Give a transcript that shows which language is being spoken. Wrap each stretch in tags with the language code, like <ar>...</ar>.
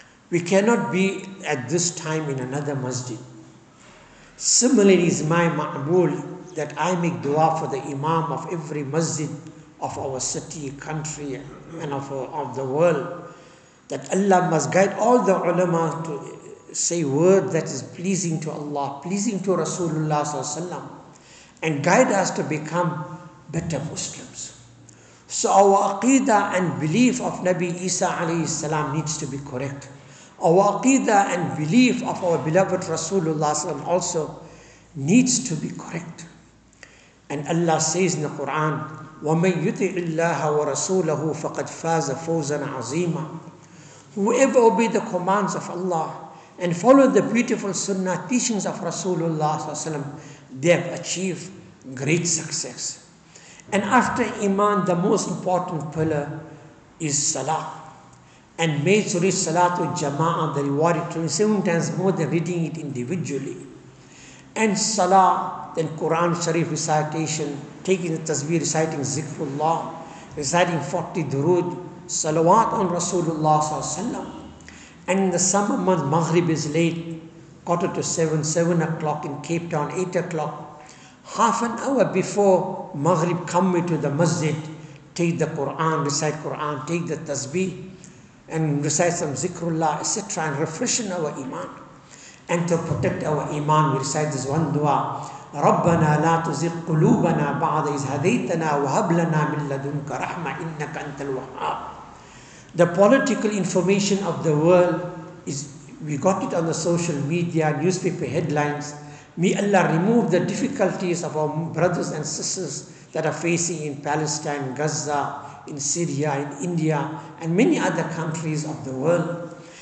<en>We cannot be at this time in another masjid. Similarly, is my ma'bool that I make dua for the imam of every masjid of our city, country, and of the world, that Allah must guide all the ulama to say word that is pleasing to Allah, pleasing to Rasulullah sallallahu alaihi wasallam, and guide us to become better Muslims. So our aqidah and belief of Nabi Isa alayhi salam needs to be correct. Our aqidah and belief of our beloved Rasulullah sallam also needs to be correct. And Allah says in the Quran,</en> <ar>وَمَنْ يُطِعِ اللَّهَ وَرَسُولَهُ فَقَدْ فَازَ فَوْزًا عَظِيمًا.</ar> <en>Whoever obey the commands of Allah and follow the beautiful sunnah teachings of Rasulullah sallam, they have achieved great success. And after iman, the most important pillar is salah. And made to read salatu jama'ah, the reward is 27 times more than reading it individually. And salah, then Quran Sharif recitation, taking the tasbih, reciting zikrullah, reciting 40 durood, salawat on Rasulullah sallam. And in the summer month, Maghrib is late, 6:45, 7 o'clock in Cape Town, 8 o'clock. Half an hour before Maghrib, come into the masjid, take the Quran, recite Quran, take the tasbih, and recite some zikrullah, etc., and refreshen our iman. And to protect our iman, we recite this one dua,</en> <ar>رَبَّنَا لَا تُزِقْ قُلُوبَنَا بَعْضَ إِذْ هَدَيْتَنَا وَهَبْ لَنَا مِنْ لَدُنْكَ رَحْمَةً إِنَّكَ أَنْتَ الْوَهَّابُ.</ar> <en>The political information of the world is, we got it on the social media, newspaper headlines. May Allah remove the difficulties of our brothers and sisters that are facing in Palestine, Gaza, in Syria, in India, and many other countries of the world.</en>